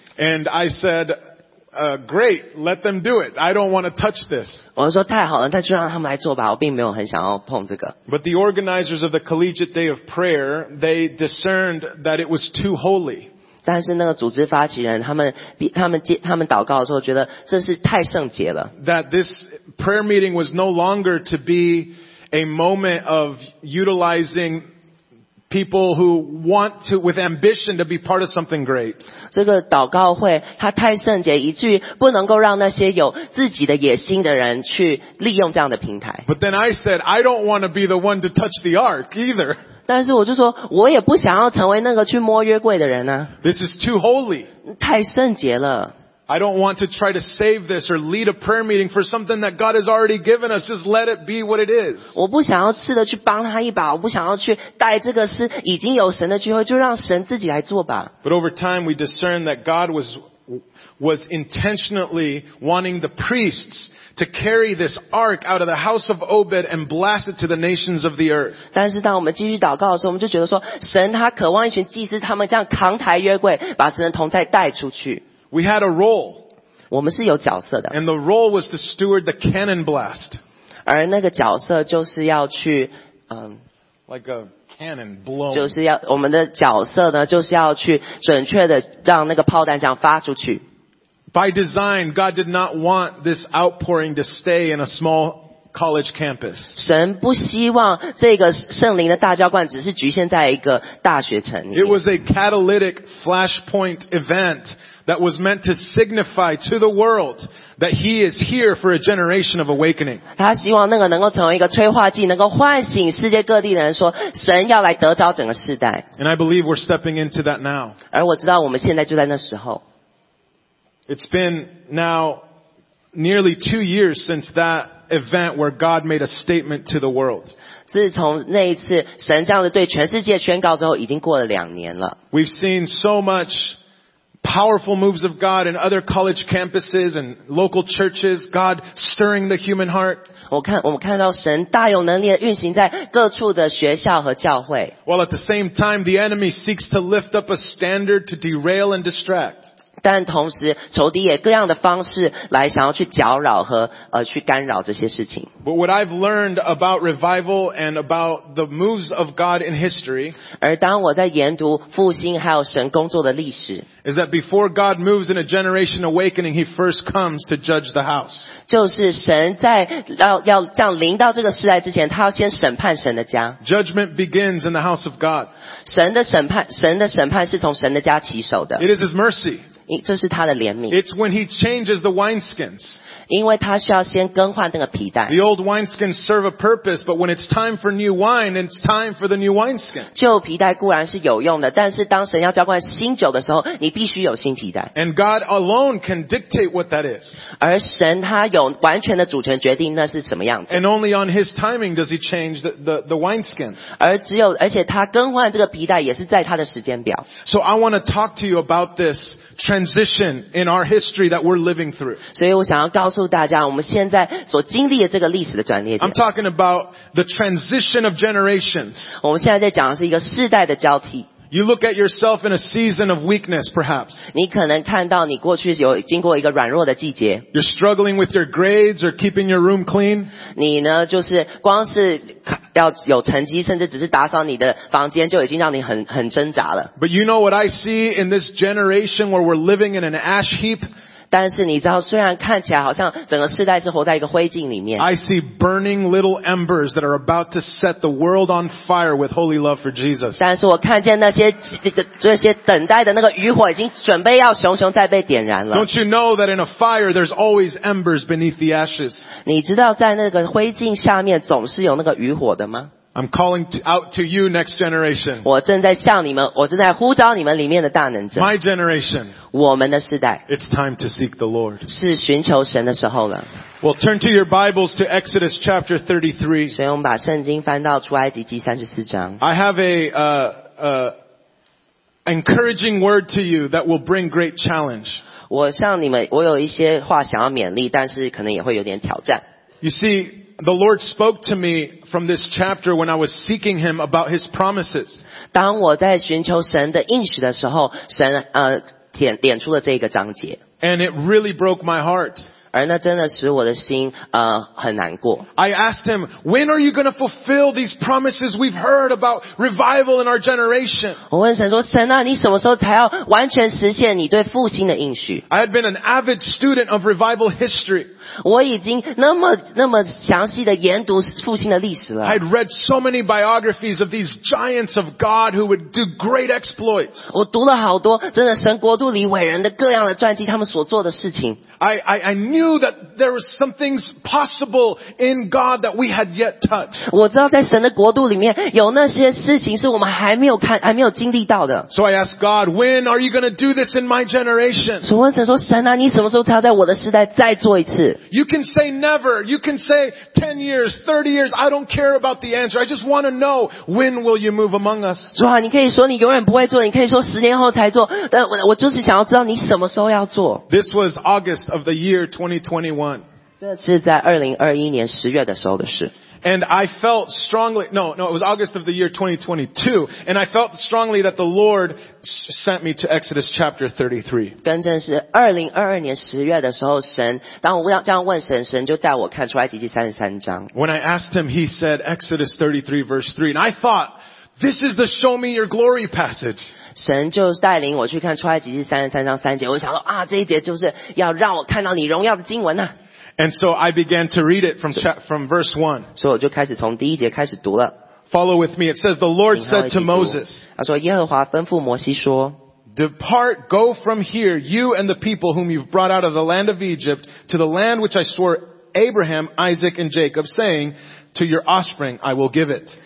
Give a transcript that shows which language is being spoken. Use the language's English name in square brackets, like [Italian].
[English] And I said,great, let them do it. I don't want to touch this. [Chinese] 我说太好了，那就让他们来做吧。我并没有很想要碰这个。 [English] But the organizers of the Collegiate Day of Prayer, they discerned that it was too holy. [Chinese] 但是那个组织发起人，他们祷告的时候觉得这是太圣洁了。 [English] That this prayer meeting was no longer to be a moment of utilizing. People who want to, with ambition, to be part of something great. [Chinese] 这个祷告会，它太圣洁，以至于不能够让那些有自己的野心的人去利用这样的平台。 [English] But then I said, I don't want to be the one to touch the ark either. [Chinese] 但是我就说，我也不想要成为那个去摸约柜的人呢。 [English] This is too holy. [Chinese] 太圣洁了。 [English] I don't want to try to save this or lead a prayer meeting for something that God has already given us. Just let it be what it is. [Chinese] 我不想要试着去帮他一把，我不想要去带这个是已经有神的聚会，就让神自己来做吧。 [English] But over time, we discern that God was intentionally wanting the priests. To carry this ark out of the house of Obed and blast it to the nations of the earth. [Chinese] 但是当我们继续祷告的时候，我们就觉得说，神他渴望一群祭司，他们这样扛抬约柜，把神的同在带出去。 [English] We had a role. [Chinese] 我们是有角色的。 [English] And the role was to steward the cannon blast. [Chinese] 而那个角色就是要去， [English] Like a cannon blown. [Chinese] 就是要我们的角色呢，就是要去准确的让那个炮弹这样发出去。 [English] By design, God did not want this outpouring to stay in a small college campus. [Chinese] 神不希望这个圣灵的大浇灌只是局限在一个大学城里。 [English] It was a catalytic flashpoint event that was meant to signify to the world that He is here for a generation of awakening. [Chinese] 他希望那个能够成为一个催化剂，能够唤醒世界各地的人，说神要来得着整个世代。 [English] And I believe we're stepping into that now. [Chinese] 而我知道我们现在就在那时候。 [English] It's been now nearly 2 years since that event where God made a statement to the world. [Chinese] 自从那一次神这样子对全世界宣告之后，已经过了两年了。 [English] We've seen so much powerful moves of God in other college campuses and local churches. God stirring the human heart. [Chinese] 我们看到神大有能力的运行在各处的学校和教会。 [English] While at the same time, the enemy seeks to lift up a standard to derail and distract. [Chinese] 但同时，仇敌也各样的方式来想要去搅扰和去干扰这些事情。 [English] But what I've learned about revival and about the moves of God in history, [Chinese] 而当我在研读复兴还有神工作的历史 [English] ，is that before God moves in a generation awakening, He first comes to judge the house. [Chinese] 就是神在要这样临到这个时代之前，他要先审判神的家。 [English] Judgment begins in the house of God. [Chinese] 神的审判是从神的家起手的。 [English] It is His mercy. [Chinese] 这是他的怜悯。 [English] It's when he changes the wineskins. [Chinese] 因为他需要先更换那个皮带。 [English] The old wineskins serve a purpose, but when it's time for new wine, it's time for the new wineskin. [Chinese] 旧皮带固然是有用的，但是当神要浇灌新酒的时候，你必须有新皮带。 [English] And God alone can dictate what that is. [Chinese] 而神他有完全的主权决定那是什么样子。 [English] And only on his timing does he change the wineskin. [Chinese] 而且他更换这个皮带也是在他的时间表。 [English] So I want to talk to you about this. Transition in our history that we're living through. [Chinese] 所以我想要告诉大家，我们现在所经历的这个历史的转捩点。 [English] I'm talking about the transition of generations. [Chinese] 我们现在在讲的是一个世代的交替。 [English] You look at yourself in a season of weakness, perhaps. [Chinese] 你可能看到你过去有经过一个软弱的季节。 [English] You're struggling with your grades or keeping your room clean. [Chinese] 你呢，就是光是要有成绩，甚至只是打扫你的房间，就已经让你很挣扎了。 [English] But you know what I see in this generation where we're living in an ash heap? [Chinese] 但是你知道，虽然看起来好像整个世代是活在一个灰烬里面。 [English] I see burning little embers that are about to set the world on fire with holy love for Jesus. [Chinese] 但是我看见这些等待的那个余火已经准备要熊熊再被点燃了。 [English] Don't you know that in a fire there's always embers beneath the ashes? [Chinese] 你知道在那个灰烬下面总是有那个余火的吗？ [English] I'm calling out to you, next generation. [Chinese] 我正在向你们，我正在呼召你们里面的大能者。 [English] My generation. [Chinese] 我们的世代。 [English] It's time to seek the Lord. [Chinese] 是寻求神的时候了。 [English] Well, turn to your Bibles to Exodus chapter 33. [Chinese] 所以我们把圣经翻到出埃及记34章。 [English] I have a encouraging word to you that will bring great challenge. [Chinese] 我向你们，我有一些话想要勉励，但是可能也会有点挑战。 [English] You see. The Lord spoke to me from this chapter when I was seeking Him about His promises. [Chinese] 当我在寻求神的应许的时候，神点出了这个章节。 [English] And it really broke my heart. [Chinese] 而那真的使我的心很难过。 [English] I asked Him, "When are you going to fulfill these promises we've heard about revival in our generation?" [Chinese] 我问神说，神啊，你什么时候才要完全实现你对复兴的应许 [English] ？I had been an avid student of revival history. [Chinese] 我已经那么详细的研读复兴的历史了。 [English] I'd read so many biographies of these giants of God who would do great exploits. [Chinese] 我读了好多真的神国度里伟人的各样的传记，他们所做的事情。 [English] I knew that there were some things possible in God that we had yet touched. [Chinese] 我知道在神的国度里面有那些事情是我们还没有经历到的。 [English] So I asked God, "When are you going to do this in my generation?" [Chinese] 我问神说，神啊，你什么时候才要在我的世代再做一次？ [English] You can say never. You can say 10 years, 30 years. I don't care about the answer. I just want to know when will you move among us. [Chinese] 主啊，你可以说你永远不会做，你可以说十年后才做，但我就是想要知道你什么时候要做。 [English] This was August of the year 2021. [Chinese] 这是在2021年10月的时候的事。 [English] And I felt strongly, no, it was August of the year 2022, and I felt strongly that the Lord sent me to Exodus chapter 33. [Chinese] 更正是2022年十月的时候，神，当我这样问神，神就带我看出埃及记33章。 [English] When I asked him, he said Exodus 33 verse 3, and I thought, this is the show me your glory passage. [Chinese] 神就带领我去看出埃及记33章3节，我就想说啊，这一节就是要让我看到你荣耀的经文啊。 [English] And so I began to read it from verse 1. [Chinese] So 我就开始从第一节开始读了。 [English] Follow with me. It says, the Lord said to Moses, [Chinese] 他说耶和华吩咐摩西说 [English] Depart, go from here, you and the people whom you've brought out of the land of Egypt, to the land which I swore Abraham, Isaac, and Jacob, saying, to your offspring I will give it.